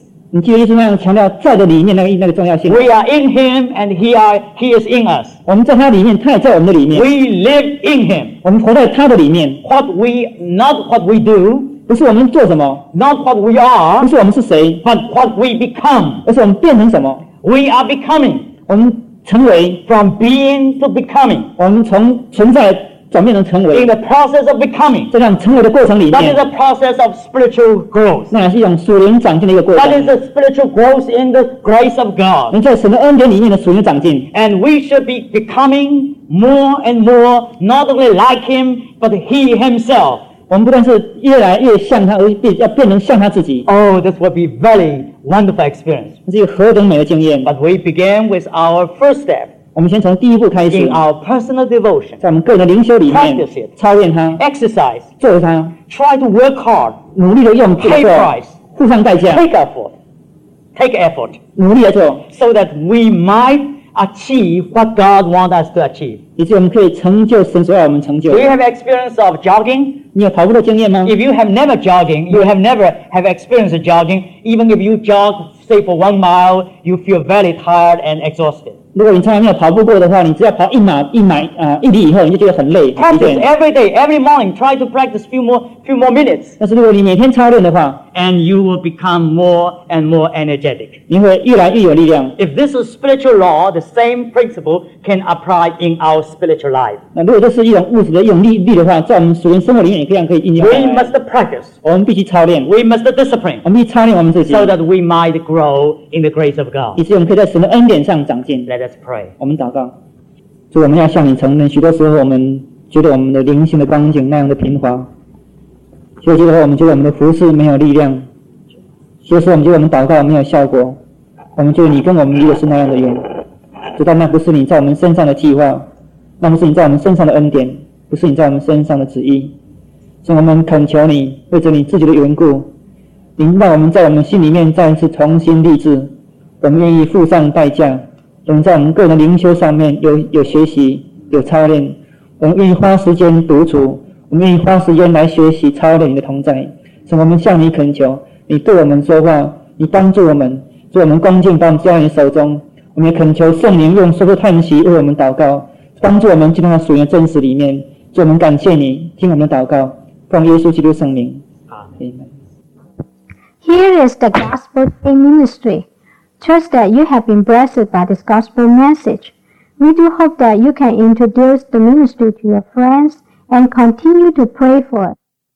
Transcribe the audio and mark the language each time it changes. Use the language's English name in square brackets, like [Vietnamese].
[Chinese] 你记得耶稣那样强调在的里面那个重要性。 [English] We are in Him, and He is in us. [Chinese] 我们在他里面，他也在我们的里面。 [English] We live in Him. [Chinese] 我们活在他的里面。 [English] Not what we do, [Chinese] 不是我们做什么。 [English] Not what we are, [Chinese] 不是我们是谁。 [English] But what we become, [Chinese] 而是我们变成什么。 [English] We are becoming, [Chinese] 我们成为。 [English] From being to becoming, [Chinese] 我们从存在转变成成为。 [English] In the process of becoming, [Chinese] 在这样成为的过程里面。 [English] That is a process of spiritual growth. [Chinese] 那是一种属灵长进的一个过程。 [English] That is a spiritual growth in the grace of God. [Chinese] 你在神的恩典里面的属灵长进。 [English] And we should be becomingMore and more, not only like him, but he himself. [Chinese] 我们不但是越来越像他，而且要变成像他自己。 [English] Oh, this will be very wonderful experience. [Chinese] 这是一个何等美的经验！ [English] But we begin with our first step. [Chinese] 我们先从第一步开始。 [English] In our personal devotion, [Chinese] 在我们个人的灵修里面 [English] ，practice it, [Chinese] 操练它 [English] ，exercise, [Chinese] 做它 [English] ，try to work hard, [Chinese] 努力的用 [English] 劲 ，pay price, [Chinese] 付上代价 [English] ，take effort, [Chinese] 努力的做 [English] ，so that we might. Achieve what God wants us to achieve. [Chinese] 以致我们可以成就神所要我们成就。 [English] Do you have experience of jogging? [Chinese] 你有跑步的经验吗 [English] ？If you have never jogging, you have never have experience of jogging. Even if you jog, say for 1 mile, you feel very tired and exhausted. [Chinese] 如果你从来没有跑步过的话，你只要跑一里以后，你就觉得很累。 [English] Practice every day, every morning. Try to practice few more minutes. [Chinese] 但是如果你每天操练的话 [English] ，and you will become more and more energetic. [Chinese] 你会越来越有力量。 [English] If this is spiritual law, the same principle can apply in our spiritual life. [Chinese] 那如果这是一种物质的用力的话，在我们属灵生活里面也可以应用。 [English] We must practice. [Chinese] 我们必须操练。 [English] We must discipline. [Chinese] 我们必须操练我们自己 [English] ，so that we might grow in the grace of God. [Chinese] 以致我们可以在神的恩典上长进。 [English] Let us pray. [Chinese] 我们祷告，主，我们要向你承认，许多时候我们觉得我们的灵性的光景那样的贫乏。所以，我们觉得我们的服事没有力量，所以说我们觉得我们祷告没有效果，我们觉得你跟我们约是那样的约，知道那不是你在我们身上的计划，那不是你在我们身上的恩典，不是你在我们身上的旨意。所以我们恳求你，为着你自己的缘故，你让我们在我们心里面再一次重新立志，我们愿意付上代价，我们在我们个人的灵修上面有学习有操练，我们愿意花时间独处，我们愿意花时间来学习操练你的同在。所以我们向你恳求，你对我们说话，你帮助我们，所以我们恭敬把我们交在你手中。我们也恳求圣灵用说说叹息为我们祷告，帮助我们进入到属灵的真实里面。所以我们感谢你听我们的祷告，奉耶稣基督圣名。 [English] Here is the gospel in ministry. Trust that you have been blessed by this gospel message. We do hope that you can introduce the ministry to your friends and continue to pray for it.